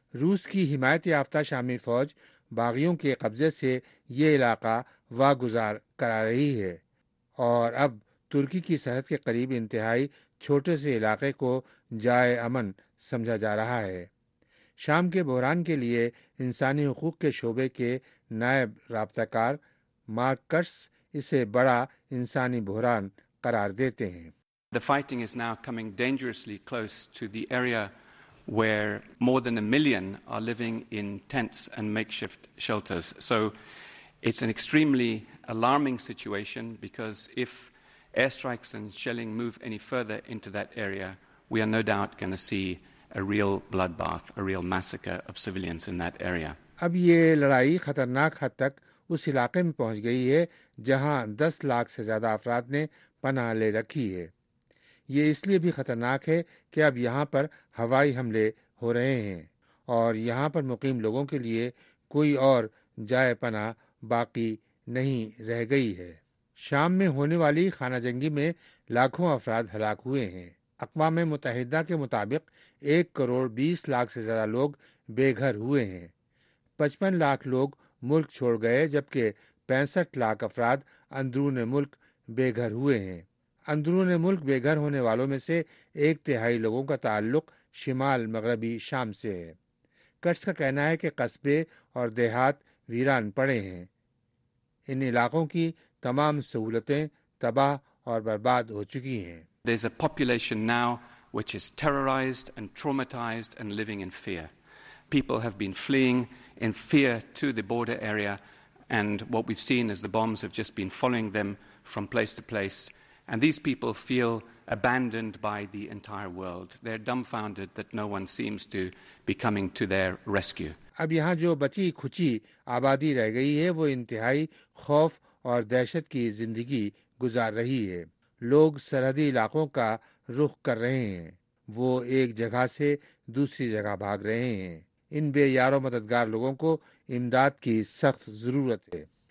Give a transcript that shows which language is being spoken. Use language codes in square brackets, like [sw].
[ur] روس کی حمایت یافتہ شامی فوج باغیوں کے قبضے سے یہ علاقہ واگزار کرا رہی ہے اور اب ترکی کی سرحد کے قریب انتہائی چھوٹے سے علاقے کو جائے امن سمجھا جا رہا ہے. شام کے بحران کے لیے انسانی حقوق کے شعبے کے نائب رابطہ کار مارک کرس اسے بڑا انسانی بحران قرار دیتے ہیں. [en] The fighting is now coming dangerously close to the area where more than 1 million are living in tents and makeshift shelters. So it's an extremely alarming situation because if airstrikes and shelling move any further into that area, we are no doubt going to see a real bloodbath, a real massacre of civilians in that area. [ur] اب یہ لڑائی خطرناک حد تک اس علاقے میں پہنچ گئی ہے جہاں 10 لاکھ سے زیادہ افراد نے پناہ لے رکھی ہے. یہ اس لیے بھی خطرناک ہے کہ اب یہاں پر ہوائی حملے ہو رہے ہیں اور یہاں پر مقیم لوگوں کے لیے کوئی اور جائے پناہ باقی نہیں رہ گئی ہے. شام میں ہونے والی خانہ جنگی میں لاکھوں افراد ہلاک ہوئے ہیں. اقوام متحدہ کے مطابق 1.2 کروڑ سے زیادہ لوگ بے گھر ہوئے ہیں. 55 لاکھ لوگ ملک چھوڑ گئے جبکہ 65 لاکھ افراد اندرون ملک بے گھر ہوئے ہیں. اندرون ملک بے گھر ہونے والوں میں سے ایک تہائی لوگوں کا تعلق شمال مغربی شام سے ہے. کٹس کا کہنا ہے کہ قصبے اور دیہات ویران پڑے ہیں. ان علاقوں کی تمام سہولتیں تباہ اور برباد ہو چکی ہیں. [en] There's a population now which is terrorized and traumatized and living in fear. People have been fleeing in fear to the border area, and what we've seen is the bombs have just been following them from place to place, and these people feel abandoned by the entire world. They're dumbfounded that no one seems to be coming to their rescue. [ur] اب یہاں جو بچی کھچی آبادی رہ گئی ہے وہ انتہائی خوف اور دہشت کی زندگی گزار رہی ہے. لوگ سرحدی علاقوں کا رخ کر رہے ہیں. وہ ایک جگہ سے دوسری جگہ بھاگ رہے ہیں. ان بے یار و مددگار لوگوں کو امداد کی سخت ضرورت ہے.